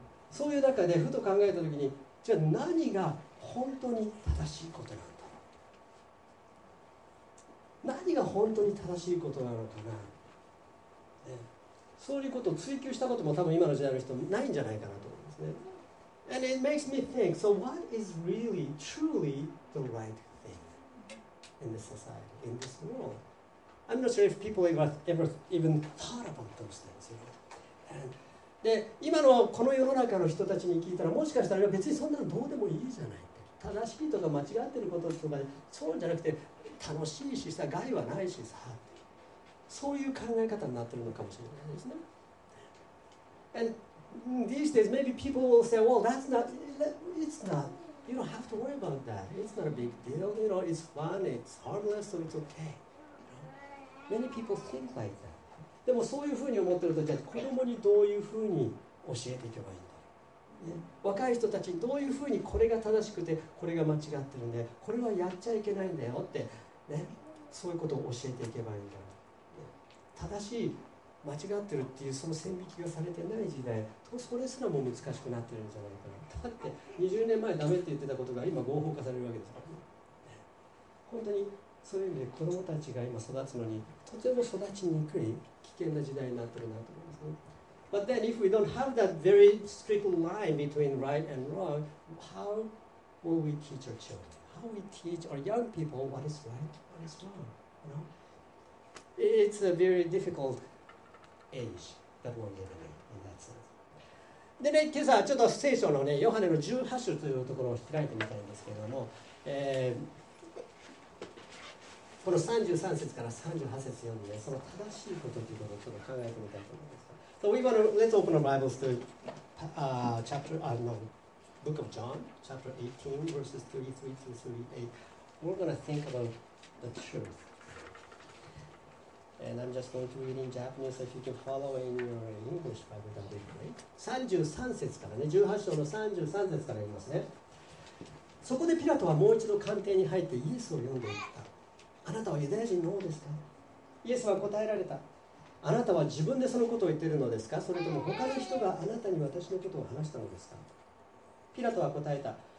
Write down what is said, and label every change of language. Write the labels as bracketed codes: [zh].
[ja] そういう中でふと考えたときに、じゃあ何が本当に正しいことなの？何が本当に正しいことなのかな、ね、そういうことを追求したことも多分今の時代の人ないんじゃないかなと思うんですね。 [en] And it makes me think, so what is really, truly the right thing in this society, in this world? I'm not sure if people ever even thought about those things, you know? [ja] で、今のこの世の中の人たちに聞いたらもしかしたら別にそんなのどうでもいいじゃない。正しいとか間違ってることとかそうじゃなくて楽しいしさ、害はないしさ、そういう考え方になってるのかもしれないですね。 [en] And these days, maybe people will say, well, that's not, it's not, you don't have to worry about that. It's not a big deal, you know, it's fun, it's harmless, so it's okay. Many people think like that. [ja] でもそういうふうに思ってると、じゃあ子供にどういうふうに教えていけばいいんだろう。ね、若い人たちにどういうふうにこれが正しくて、これが間違ってるんで、これはやっちゃいけないんだよって、ね、そういうことを教えていけばいいんだろう。正しい間違ってるっていうその線引きがされてない時代、それすらもう難しくなってるんじゃないかな。だって20年前ダメって言ってたことが今合法化されるわけですから、ね、本当にそういう意味で子どもたちが今育つのにとても育ちにくい危険な時代になってるなと思いますね。 [en] But then if we don't have that very strict line between right and wrong, how will we teach our children? How we teach our young people what is right, what is wrong? You know? It's a very difficult age that we're living in that sense. [ja] でね、今朝ちょっと聖書のね、ヨハネの18章というところを開いてみたいんですけれども、この33節から38節読んで、その正しいことということをちょっと考えてみたいと思います。 [en] So we want to, let's open our Bibles to book of John, chapter 18, verses 33 to 38. We're going to think about the truth. And I'm just going to read in Japanese, so if you can follow in your English Bible, that would be great. [ja] 33節からね、18章の33節から言いますね。そこでピラトはもう一度官邸に入ってイエスを呼んでいった。あなたはユダヤ人の王ですか？イエスは答えられた。あなたは自分でそのことを言っているのですか？それとも他の人があなたに私のことを話したのですか？ピラトは答えた。